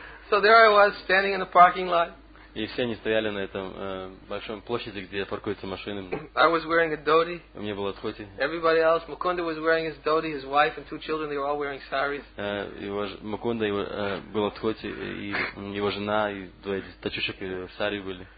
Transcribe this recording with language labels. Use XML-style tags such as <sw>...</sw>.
<en>So there I was, standing in the parking lot.</en> <ru>И все они стояли на этом большом площади, где паркуются машины.</ru> <en>I was wearing a dhoti.</en> <ru>У меня было дхоти.</ru> <en>Everybody else, Mukunda was wearing his dhoti, his wife and two children, they were all wearing saris.</en> <ru>Mukunda было дхоти, и его жена, и двое тачушек в сари были.</ru>